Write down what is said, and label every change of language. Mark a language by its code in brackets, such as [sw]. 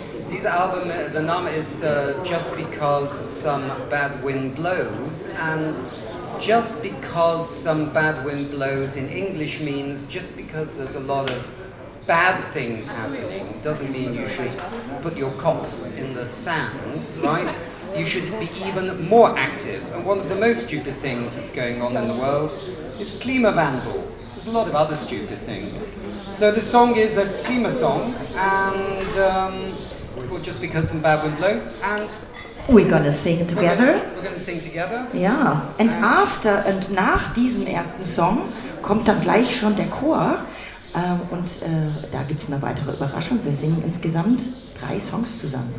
[de] Dieses Album, der Name ist Just Because Some Bad Wind Blows. [en] And just because some bad wind blows in English means just because there's a lot of bad things happening doesn't mean you should put your cock in the sand, right? You should be even more active. And one of the most stupid things that's going on in the world is Klima Vandal. There's a lot of other stupid things. So this song is a Klima song, and just because some bad wind blows, and we're gonna sing together. Yeah. And [de] nach diesem ersten Song kommt dann gleich schon der Chor. Und da gibt es eine weitere Überraschung. Wir singen insgesamt 3 Songs zusammen.